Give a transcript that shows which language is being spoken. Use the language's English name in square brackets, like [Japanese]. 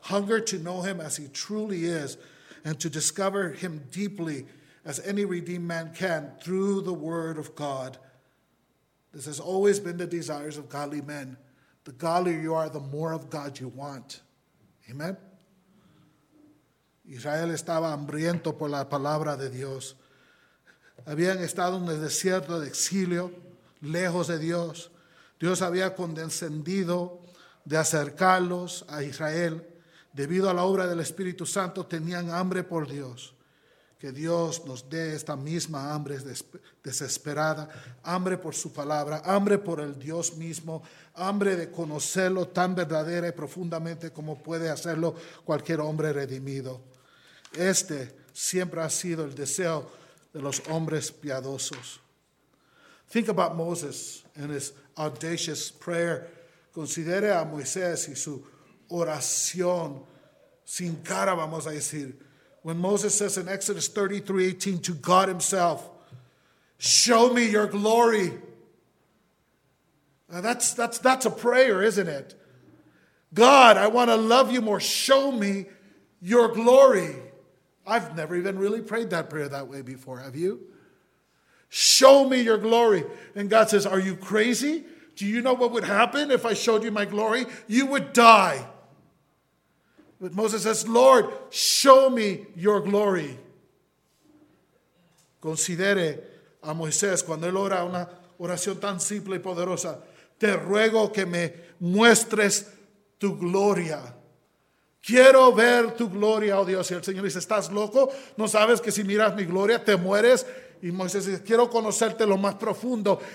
[English] Hunger to know him as he truly is. And to discover him deeply as any redeemed man can through the word of God. This has always been the desires of godly men. The godlier you are, the more of God you want. Amen? [Spanish] Israel estaba hambriento por la palabra de Dios. Habían estado en el desierto de exilio, lejos de Dios. Dios había condescendido de acercarlos a Israel. Debido a la obra del Espíritu Santo, tenían hambre por Dios. Que Dios nos dé esta misma hambre desesperada, hambre por su palabra, hambre por el Dios mismo, hambre de conocerlo tan verdadera y profundamente como puede hacerlo cualquier hombre redimido. Este siempre ha sido el deseo de los hombres piadosos. [English] Think about Moses and his audacious prayer. [Spanish] Considere a Moisés y su oración sin cara, vamos a decir. [English] When Moses says in Exodus 33:18 to God himself, show me your glory. Now that's a prayer, isn't it? God, I want to love you more. Show me your glory. I've never even really prayed that prayer that way before, have you? Show me your glory. And God says, are you crazy? Do you know what would happen if I showed you my glory? You would die. But Moses says, Lord, show me your glory. [Spanish] Considere a Moisés cuando él ora una oración tan simple y poderosa. Te ruego que me muestres tu gloria. Quiero ver tu gloria, oh Dios. Y el Señor dice, ¿estás loco? ¿No sabes que si miras mi gloria te mueres? Y Moisés dice, quiero conocerte lo más profundo.